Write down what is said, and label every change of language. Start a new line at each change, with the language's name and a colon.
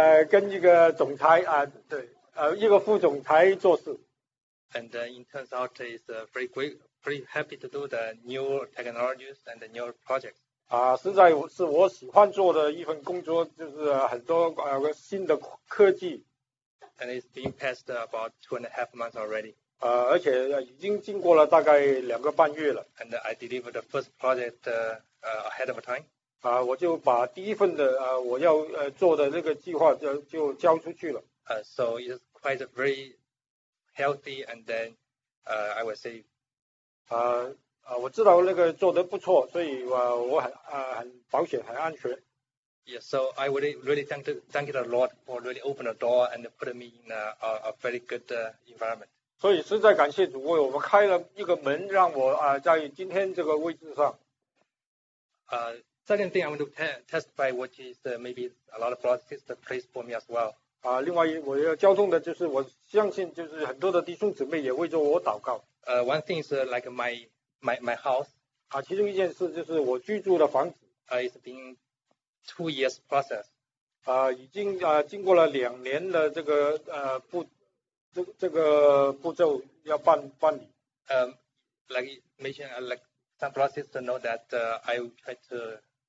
Chinese: 跟一个总裁一个副总裁做事。
English: And in turns out, it's pretty happy to do the new technologies and the new projects.
Chinese: 实在是我喜欢做的一份工作，就是很多新的科技。
English: And it's been passed about 2.5 months already.
Chinese: 而且已经经过了大概两个半月了。
English: And I delivered the first project ahead of time.
Chinese: 我就把第一份的我要做的那个计划就交出去了。
English: So it's quite very healthy, and then I would say.
Chinese: 我知道那个做得不错，所以我很保险，很安全。
English: Yes, so I would really thank the Lord for really open the door and put me in a very good environment.
Chinese: 所以实在感谢主为我们开了一个门，让我在今天这个位置上。
English: Second thing I want to testify, which is maybe a lot of brothers and sisters praise for me as well.
Chinese: 另外我要交通的就是我相信就是很多的弟兄姊妹也为着我祷告。
English: One thing is like my house.
Chinese: 其中一件事就是我居住的房子。
English: It's been 2 years process.
Chinese: 已经经过了两年的这个步骤要办理。
English: Like mentioned, like some process to know that I try to